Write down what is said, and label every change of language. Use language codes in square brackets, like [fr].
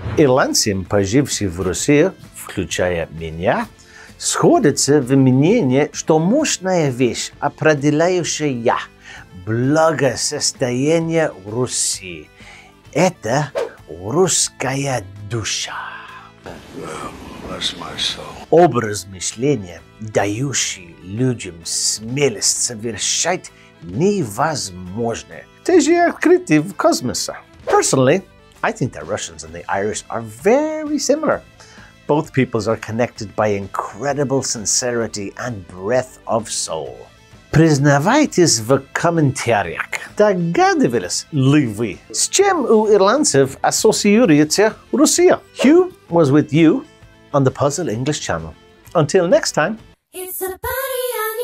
[ru] Ирландцам, пожившим в России, включая меня, сходится в мнении, что мощная вещь, определяющая благосостояние России, это русская душа. [en] Well, bless my soul. [ru] Образ мышления, дающий людям смелость совершать невозможное. Ты же открытый в космосе. [en] Personally, I think the Russians and the Irish are very similar. Both peoples are connected by incredible sincerity and breadth of soul. [ru] Признавайтесь в комментариях, догадывались ли вы, с чем у ирландцев ассоциируется Россия? [en] Hugh was with you on the Puzzle English Channel. Until next time. It's a party.